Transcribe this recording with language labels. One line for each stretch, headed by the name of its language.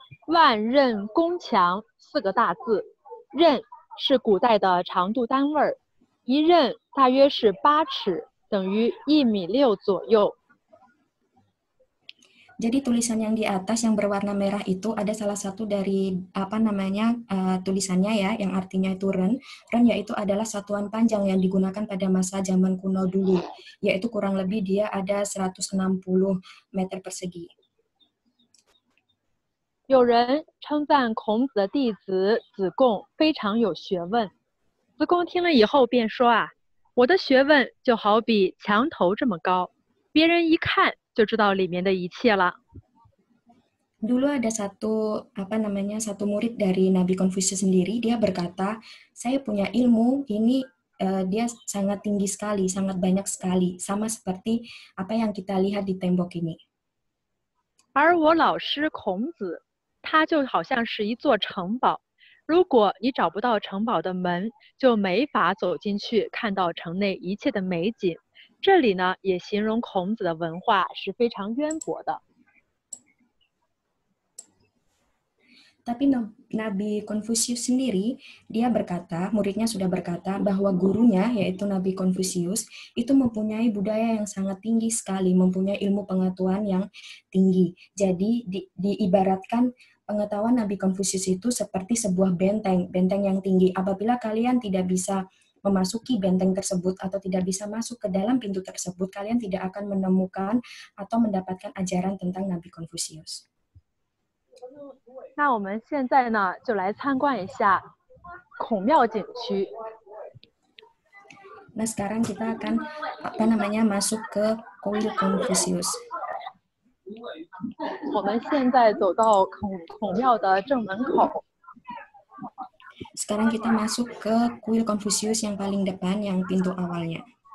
Chinese: 万仞宫墙四个大字，仞是古代的长度单位，一仞大约是八尺，等于1.6米左右。
Indonesian: Jadi tulisan yang di atas yang berwarna merah itu ada salah satu dari apa namanya tulisannya ya yang artinya itu ren. Ren yaitu adalah satuan panjang yang digunakan pada masa zaman kuno dulu, yaitu kurang lebih dia ada 160 meter persegi.
Chinese: 有人称赞孔子的弟子子贡非常有学问。子贡听了以后便说啊，我的学问就好比墙头这么高，别人一看就知道里面的一切了。
Indonesian: Dulu ada satu apa namanya satu murid dari Nabi Confucius sendiri, dia berkata, saya punya ilmu ini dia sangat tinggi sekali, sangat banyak sekali, sama seperti apa yang kita lihat di tembok ini.
Chinese: 而我老师孔子，他就好像是一座城堡，如果你找不到城堡的门，就没法走进去看到城内一切的美景。这里呢，也形容孔子的文化是非常渊博的。
Indonesian: Tapi Nabi Confucius sendiri, dia berkata, muridnya sudah berkata bahwa gurunya, yaitu Nabi Confucius, itu mempunyai budaya yang sangat tinggi sekali, mempunyai ilmu pengetahuan yang tinggi. Jadi diibaratkan pengetahuan Nabi Confucius itu seperti sebuah benteng, benteng yang tinggi. Apabila kalian tidak bisa memasuki benteng tersebut atau tidak bisa masuk ke dalam pintu tersebut, kalian tidak akan menemukan atau mendapatkan ajaran tentang Nabi Confucius.
Chinese: 那我们现在呢，就来参观一下孔庙景区。
Indonesian: Nah, sekarang kita akan apa namanya masuk ke Kuil Confucius.
Chinese: 我们现在走到孔庙的正门口。
Indonesian: Sekarang kita masuk ke Kuil Confucius yang paling depan, yang pintu awalnya.